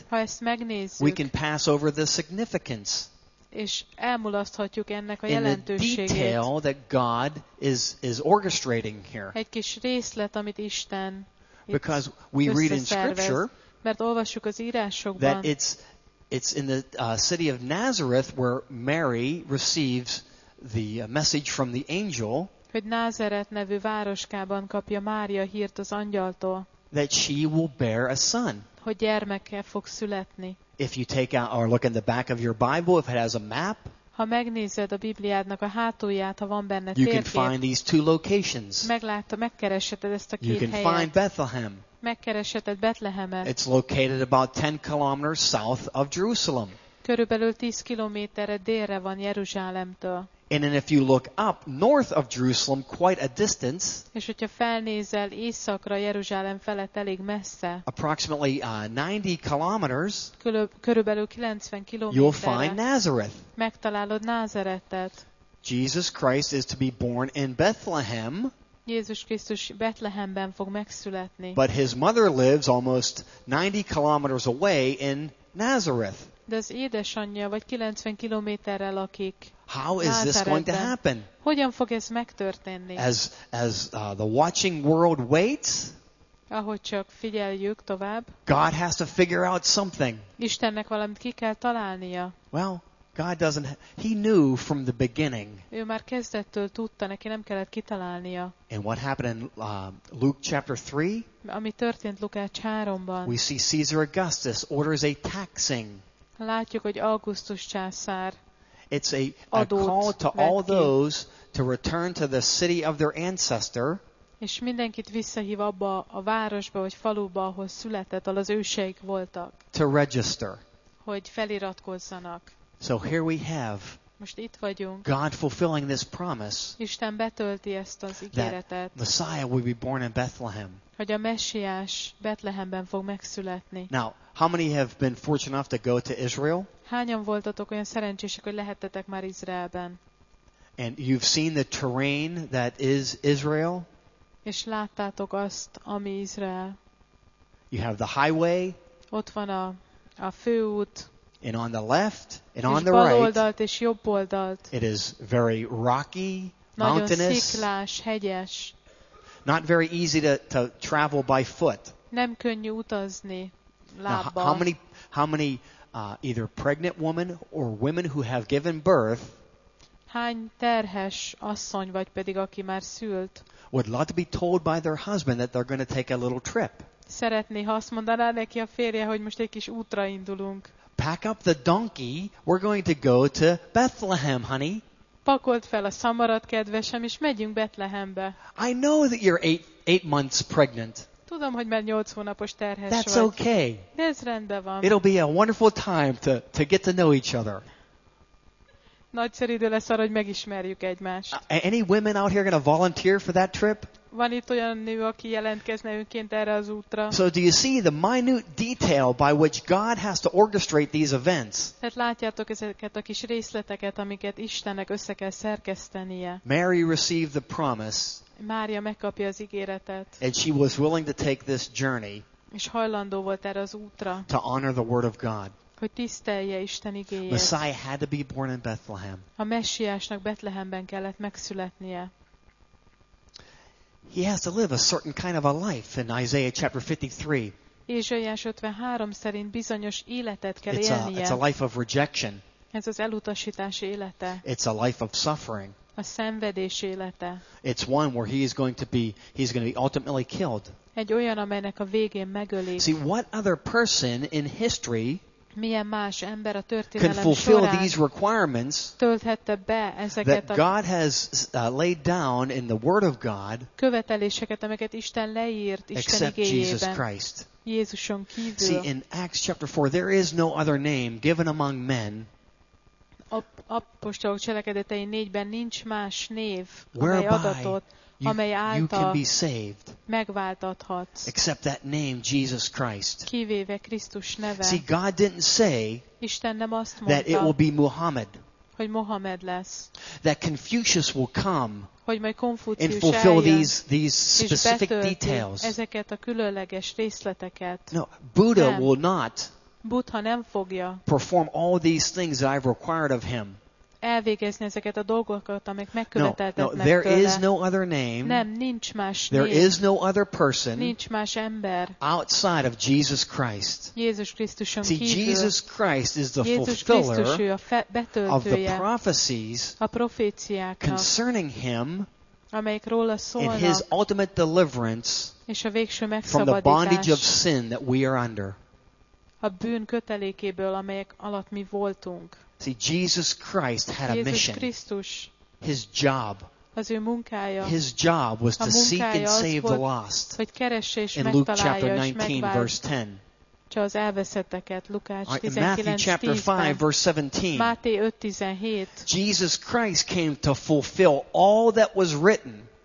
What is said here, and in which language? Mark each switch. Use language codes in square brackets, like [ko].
[hu] ha ezt megnézzük, [en] we can pass over the significance. [hu] És elmulaszthatjuk ennek a jelentőségét. [en] The detail that God is orchestrating here. [hu] Egy kis részlet, amit Isten [en] Because we read in scripture, [hu] mert olvassuk az írásokban, [en] that it's in the city of Nazareth where Mary receives the message from the angel, [hu] hogy Názaret nevű városkában kapja Mária hírt az angyaltól, [en] that she will bear a son. [hu] Hogy gyermeke fog születni. [en] If you take out or look in the back of your Bible, if it has a map, [hu] ha megnézed a Bibliádnak a hátulját, ha van benne térkép, [en] you can find these two locations. [hu] Megkeresheted ezt a két [en] you [hu] helyet. [en] You can find Bethlehem. [hu] Megkeresheted Betlehemet. [en] It's located about 10 kilometers south of Jerusalem. [hu] Körülbelül 10 kilométerre délre van Jeruzsálemtől. [en] And then if you look up north of Jerusalem, quite a distance, [hu] és hogyha felnézel északra, Jeruzsálem felett elég messze, [en] approximately 90 kilometers, [hu] körülbelül 90 kilométerre, [en] you'll find Nazareth. [hu] Megtalálod Názaretet. [en] Jesus Christ is to be born in Bethlehem. [hu] Jézus Krisztus Betlehemben fog megszületni. [en] But his mother lives almost 90 kilometers away in Nazareth. [hu] De az édesanyja vagy 90 kilométerre lakik. [en] How is this going to happen? [hu] Hogyan fog ez megtörténni? [en] As the watching world waits, [hu] ahogy csak figyeljük tovább, [en] God has to figure out something. [hu] Istennek valamit ki kell találnia. [en] Well, God doesn't. He knew from the beginning. [hu] Ő már kezdettől tudta, neki nem kellett kitalálnia. [en] And what happened in Luke chapter 3? [hu] Ami történt Lukács 3-ban. [en] We see Caesar Augustus orders a taxing. [hu] Látjuk, hogy Augustus császár. [en] It's a call to all those to return to the city of their ancestor. [hu] És mindenkit visszahív abba a városba vagy faluba, ahol született, ahol az őseik voltak. [en] To register. [hu] Hogy feliratkozzanak. [en] So here we have. [hu] Most itt vagyunk. [en] God fulfilling this promise. [hu] Isten betölti ezt az ígéretet. [en] Messiah will be born in Bethlehem. [hu] Hogy a Messiás Betlehemben fog megszületni. [en] Now, how many have been fortunate enough to go to Israel? [hu] Hányan voltatok olyan szerencsések, hogy lehettetek már Izraelben? [en] And you've seen the terrain that is Israel? [hu] És láttátok azt, ami Izrael. [en] You have the highway. [hu] Ott van a főút. [en] And on the left and [hu] és [en] on the right. [hu] Bal oldalt és jobb oldalt. [en] It is very rocky, [hu] nagyon [en] mountainous. [hu] Nagyon sziklás, hegyes. [en] Not very easy to travel by foot. [hu] Nem könnyű utazni lábbal. [en] Now, how many either pregnant woman or women who have given birth? [hu] Hány terhes asszony vagy pedig aki már szült? [en] Would love to be told by their husband that they're going to take a little trip. [hu] Szeretné, ha azt mondaná neki a férje, hogy most egy kis útra indulunk. [en] Pack up the donkey. We're going to go to Bethlehem, honey. [hu] Pakold fel a szamarat, kedvesem, és megyünk Betlehembe. [en] I know that you're 8 months pregnant. [hu] Tudom, hogy már 8 hónapos terhes [en] That's [hu] vagy. [en] Okay. [hu] De ez rendben van. [en] It'll be a wonderful time to get to know each other. [hu] Nagyszerű idő lesz arra, hogy megismerjük egymást. [en] Any women out here gonna volunteer for that trip? [hu] Van itt olyan nő, aki jelentkezne önként erre az útra? [en] So do you see the minute detail by which God has to orchestrate these events? [hu] Tehát látjátok ezeket a kis részleteket, amiket Istennek össze kell szerkesztenie. [en] Mary received the promise. [hu] Mária megkapja az ígéretet. [en] And she was willing to take this journey. [hu] És hajlandó volt erre az útra. [en] To honor the word of God. [hu] Hogy tisztelje Isten igéjét. [en] Messiah had to be born in Bethlehem. [hu] A Messiásnak Betlehemben kellett megszületnie. [en] He has to live a certain kind of a life in Isaiah chapter 53. [hu] Ézsaiás 53 szerint bizonyos életet kell [en] it's [hu] élnie. [en] It's a life of rejection. [hu] Ez az elutasítás élete. [en] It's a life of suffering. [hu] A szenvedés élete. [en] It's one where he's going to be ultimately killed. [hu] Egy olyan, amelynek a végén megölik. [en] See, what other person in history [hu] milyen más ember a történelem során tölthette be ezeket [en] a God has laid down in the word of God [hu] követeléseket, amiket Isten leírt Isten igéjében. [en] Jesus Christ. [hu] Jézuson kívül. [en] See, in Acts chapter 4 there is no other name given among men. [hu] Apostolok cselekedetei 4-ben nincs más név, amely adatot, amely által megváltathatsz. [en] Except that name, Jesus Christ. [hu] Kivéve Krisztus neve. [en] See, God didn't say [hu] Isten nem azt mondta, [en] that it will be Muhammad. [hu] Hogy Mohamed lesz. [en] That Confucius will come [hu] hogy majd Konfúcius [en] and fulfill these specific details. [hu] Ezeket a különleges részleteket. [en] No, Buddha [hu] nem. [en] Will not [hu] Buddha nem fogja [en] perform all these things that I've required of him. [hu] Elvégezni ezeket a dolgokat, amik megköveteltetnek tőle. [en] No, there is no other name. [hu] Nem, nincs más név. [en] There is no other person. [hu] Nincs más ember. [en] Outside of Jesus Christ. [hu] Jézus Krisztuson kívül. [en] See, Jesus Christ is the fulfiller of the prophecies concerning him, [hu] amelyek róla szólnak, [en] and his ultimate deliverance [hu] és a végső megszabadítás [en] from the bondage of sin that we are under. [hu] A bűn kötelékéből, amelyek alatt mi voltunk. [en] See, Jesus Christ had a mission. His job. [hu] Az ő munkája. [en] His job was to seek and save the lost. [hu] Hogy keresse és [en] in Luke chapter 19, verse 10. [hu] Csak az elveszetteket, Lukács 19, [en] in Matthew chapter 5, verse 17. [hu] Máté 5:17. [en] Jesus Christ came to fulfill all that was written.